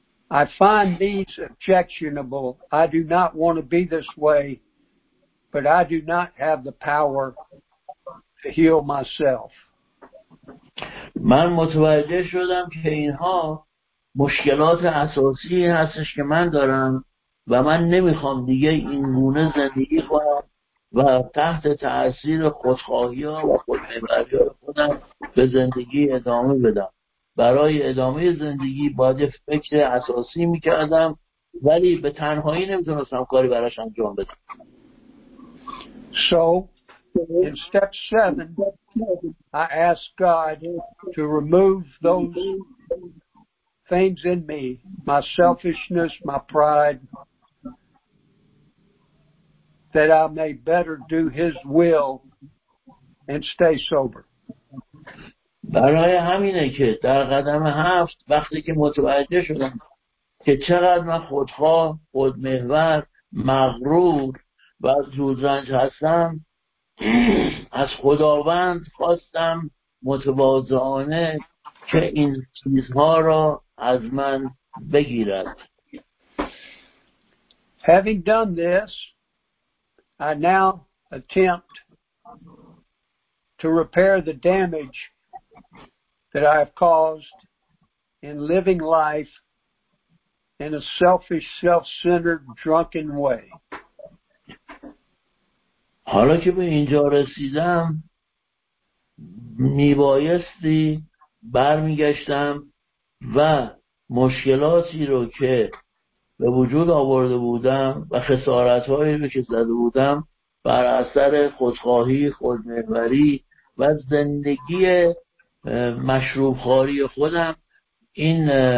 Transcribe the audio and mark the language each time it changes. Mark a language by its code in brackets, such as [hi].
[en] I find these objectionable. I do not want to be this way, but I do not have the power to heal myself. [fa] من متوجه شدم که اینها مشکلات اساسی هستش که من دارم و من نمیخوام دیگه این گونه زندگی کنم و تحت تأثیر خودخواهی ها و خودمهربانی خودم به زندگی ادامه بدم. برای ادامه زندگی باید فکر اساسی میکردم ولی به تنهایی نمیتونستم کاری براش انجام بدم. [en] So in step 7 I ask God to remove those things in me, my selfishness, my pride, that I may better do his will and stay sober. [fa] برای همینه که در قدم 7 وقتی که متوجه شدم که چقدر من خودخواه، خودمحور، مغرور و زودرنج هستم، از خداوند خواستم متواضعانه که این چیزها را از من بگیرد. [en] Having done this, I now attempt to repair the damage that I have caused in living life in a selfish, self-centered, drunken way. [fa] حالا که به اینجا رسیدم میبایستی برمیگشتم و مشکلاتی رو که به وجود آورده بودم و خسارتهایی رو که زده بودم بر اثر خودخواهی، خودمحوری و زندگی مشروب خواری خودم این